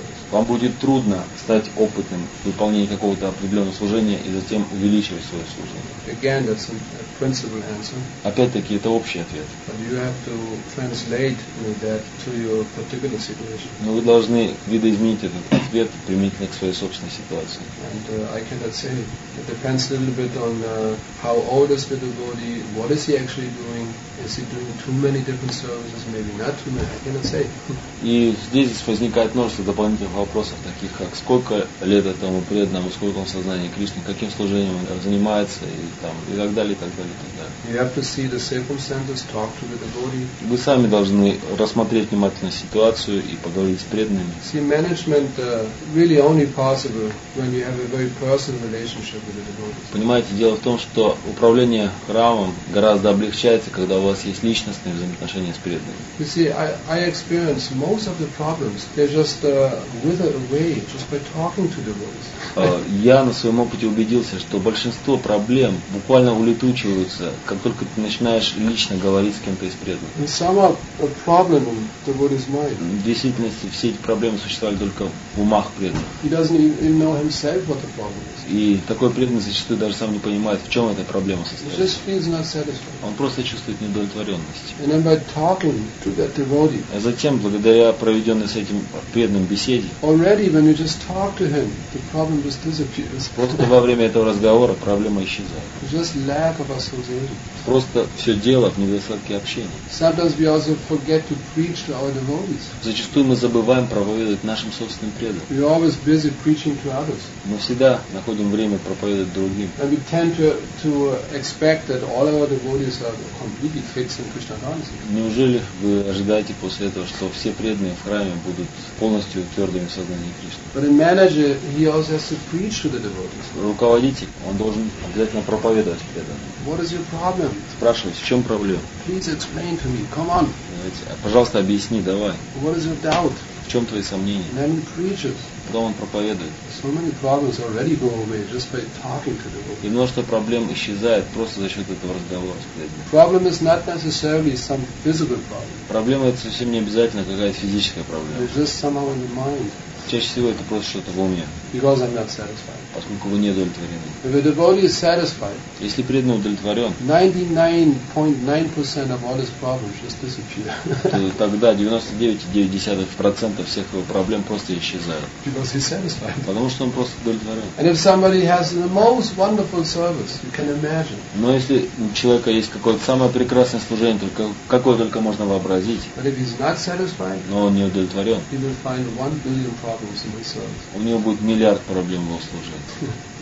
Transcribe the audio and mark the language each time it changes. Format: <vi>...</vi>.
<ru>Вам будет трудно стать опытным в выполнении какого-то определенного служения и затем увеличивать свое служение.</ru> <en>Again, that's a principle answer.</en> <ru>Опять-таки, это общий ответ.</ru> <en>But you have to translate that to your particular situation.</en> <ru>Но вы должны видоизменить этот ответ применительно к своей собственной ситуации.</ru> <en>I cannot say. It depends a little bit on how old is the devotee, what is he actually doing, is he doing too many different services, maybe not too many, I cannot say.</en> <ru>И здесь возникает множество дополнительных вопросов, таких как сколько лет этому преданному, сколько он в сознании Кришны, каким служением он занимается и там и так далее, и так далее, и так далее.</ru> <en>You have to see the circumstances, talk to the devotee.</en> <ru>Вы сами должны рассмотреть внимательно ситуацию и поговорить с преданными.</ru> <en>See, management really only possible when you have a very personal</en> <ru>Понимаете, дело в том, что управление храмом гораздо облегчается, когда у вас есть личностные взаимоотношения с преданными.</ru> <en>You see, I experience most of the problems. They just wither away just by talking to devotees.</en> <ru>Я на своем опыте убедился, что большинство проблем буквально улетучиваются, как только ты начинаешь лично говорить с кем-то из преданных.</ru> <en>And some are problem in devotee's mind.</en> <ru>В действительности все эти проблемы существовали только в умах преданных.</ru> <en>He doesn't even know himself what the problem is.</en> <ru>И такой преданный зачастую даже сам не понимает, в чем эта проблема состоит.</ru> <en>He just feels not satisfied.</en> <ru>Он просто чувствует неудовлетворенность.</ru> <en>And then by talking to that devotee.</en> <ru>А затем, благодаря проведенной с этим преданным беседе.</ru> <en>Already when you just talk to him, the problem just disappears.</en> <ru>Просто во время этого разговора проблема исчезает.</ru> <en>Just lack of association.</en> <ru>Просто все дело в недостатке общения.</ru> <en>Sometimes we also forget to preach to our devotees.</en> <ru>Зачастую мы забываем проповедовать нашим собственным преданным.</ru> <en>We're always busy preaching to others.</en> <ru>Мы всегда находим время проповедовать другим.</ru> <en>And we tend to expect that all our devotees are completely fixed in Krishna consciousness.</en> <ru>Неужели вы ожидаете после этого, что все преданные в храме будут полностью твердыми в сознании Кришны?</ru> <en>But a manager, he also has to preach to the devotees.</en> <ru>Руководитель, он должен обязательно проповедовать преданным.</ru> <en>What is your problem?</en> <ru>Спрашивайте, в чем проблема?</ru> <en>Please explain to me. Come on.</en> <ru>Пожалуйста, объясни, давай.</ru> <en>What is your doubt?</en> <ru>В чем твои сомнения?</ru> <en>Then he preaches.</en> <ru>Потом он проповедует.</ru> <en>So many problems already go away just by talking to the devotee.</en> <ru>И множество проблем исчезает просто за счет этого разговора с преданным.</ru> <en>Problem is not necessarily some physical problem.</en> <ru>Проблема это совсем не обязательно какая-то физическая проблема.</ru> <en>It's just somehow in the mind.</en> <ru>Чаще всего это просто что-то в уме.</ru> <en>Because I'm not satisfied.</en> <ru>Поскольку вы не удовлетворены.</ru> <en>If a devotee is satisfied.</en> <ru>Если преданный удовлетворен.</ru> <en>99.9% of all his problems just disappear.</en> <ru>Тогда 99.9% всех его проблем просто исчезают.</ru> <en>Because he's satisfied.</en> <ru>Потому что он просто удовлетворен.</ru> <en>And if somebody has the most wonderful service, you can imagine.</en> <ru>Но если у человека есть какое-то самое прекрасное служение, только какое только можно вообразить.</ru> <en>But if he's not satisfied.</en> <ru>Но он не удовлетворен.</ru> <en>He will find 1 billion. Problems in</en> <ru>у него будет миллиард проблем во служении.</ru>